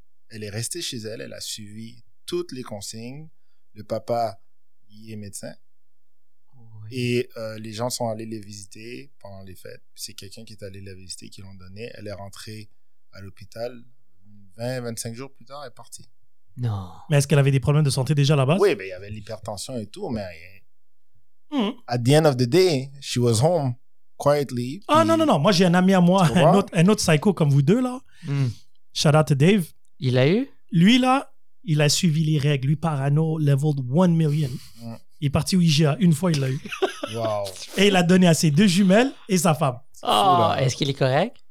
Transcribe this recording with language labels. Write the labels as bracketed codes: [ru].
[fr] Elle est restée chez elle. Elle a suivi toutes les consignes. Le papa, il est médecin. Et les gens sont allés les visiter pendant les fêtes. C'est quelqu'un qui est allé la visiter qui l'ont donné. Elle est rentrée à l'hôpital 20-25 jours plus tard, elle est partie. Non. Mais est-ce qu'elle avait des problèmes de santé déjà à la base? Oui, mais il y avait l'hypertension et tout, mais [en] at the end of the day, she was home quietly. [fr] Ah non, non, non. Moi, j'ai un ami à moi, un autre psycho comme vous deux, là. [en] Shout out to Dave. [fr] Il a eu? Lui, là, il a suivi les règles. Lui, parano, leveled 1 million. Il est parti au IGA, une fois il l'a eu. Wow. Et il l'a donné à ses deux jumelles et sa femme. Oh, est-ce qu'il est correct?